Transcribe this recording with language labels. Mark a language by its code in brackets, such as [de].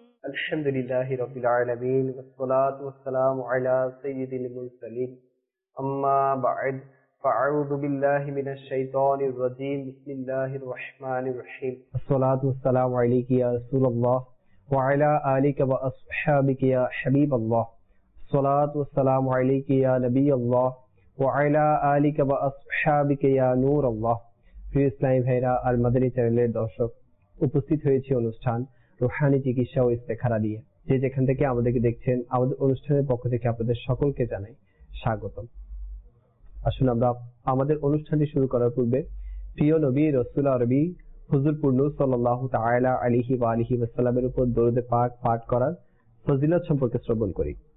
[ar] الحمد لله رب العالمين والصلاة والسلام على سيد المرسلين أما بعد فأعوذ بالله من الشيطان الرجيم بسم الله الرحمن الرحيم الصلاة والسلام عليك يا رسول الله وعلى آلك وأصحابك يا حبيب الله الصلاة والسلام عليك يا نبي الله وعلى آلك وأصحابك يا نور الله في الإسلام هيرا المدني تريلي دوشو [bn] উপস্থিত হয়েছে অনুষ্ঠান রুহানি চিকিৎসা ও ইস্তেখারা দিয়ে, যে যেখান থেকে আমাদেরকে দেখছেন আমাদের অনুষ্ঠানের পক্ষ থেকে আপনাদের সকলকে জানাই স্বাগতম। আসুন আমরা আমাদের অনুষ্ঠানটি শুরু করার পূর্বে প্রিয় নবী রাসূল আরবি হুজুর পূর্ণ সাল্লাল্লাহু তাআলা আলাইহি ওয়া আলিহি ওয়াসাল্লামের উপর দরুদ পাক পাঠ করার ফজিলত সম্পর্কে শ্রবণ করি।